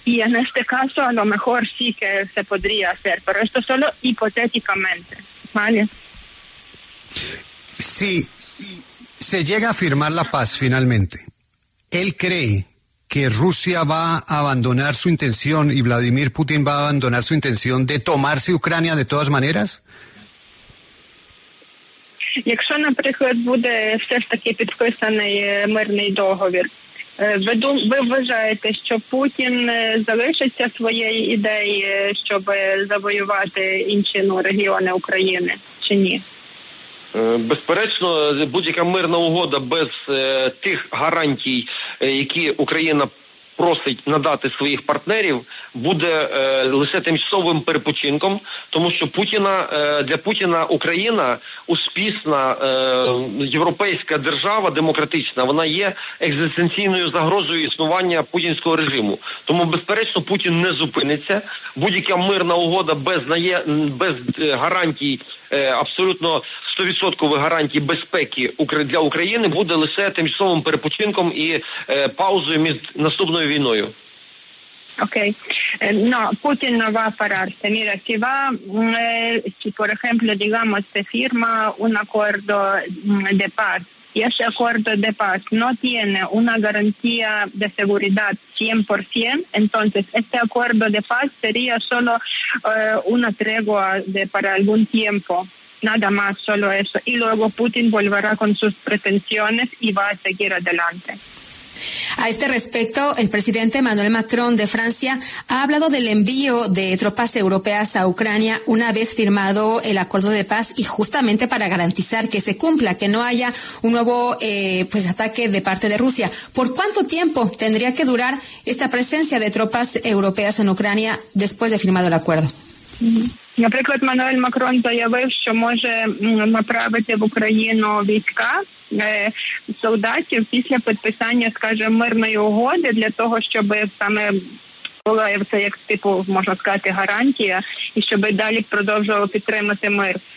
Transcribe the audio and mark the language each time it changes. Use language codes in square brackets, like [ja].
[es] Y en este caso, a lo mejor sí que se podría hacer, pero esto solo hipotéticamente, ¿vale? Sí. Se llega a firmar la paz finalmente. ¿Él cree que Rusia va a abandonar su intención y Vladimir Putin va a abandonar su intención de tomarse Ucrania de todas maneras? [uk] Якщо, наприклад, буде все ж таки підписаний мирний договір, ви вважаєте, що Путін залишиться своєю ідеєю, щоб завоювати інші регіони України, чи ні? Безперечно, будь-яка мирна угода без тих гарантій, які Україна просить надати своїх партнерів, буде лише тимчасовим перепочинком, тому що для Путіна Україна успішна європейська держава демократична, вона є екзистенційною загрозою існування путінського режиму. Тому безперечно Путін не зупиниться. Будь-яка мирна угода без гарантій, абсолютно 100% гарантій безпеки для України буде лише тимчасовим перепочинком і паузою між наступною війною. [es] Okay. No, Putin no va a pararse. Mira, si va, si por ejemplo, digamos, se firma un acuerdo de paz y ese acuerdo de paz no tiene una garantía de seguridad 100%, entonces este acuerdo de paz sería solo una tregua para algún tiempo. Nada más, solo eso. Y luego Putin volverá con sus pretensiones y va a seguir adelante. A este respecto, el presidente Emmanuel Macron de Francia ha hablado del envío de tropas europeas a Ucrania una vez firmado el acuerdo de paz y justamente para garantizar que se cumpla, que no haya un nuevo ataque de parte de Rusia. ¿Por cuánto tiempo tendría que durar esta presencia de tropas europeas en Ucrania después de firmado el acuerdo? [uk] Наприклад, Еммануель Макрон заявив, що може направити в Україну війська, солдатів після підписання, скажімо, мирної угоди для того, щоб саме була це як типу, можна сказати, гарантія, і щоб далі продовжував підтримати мир.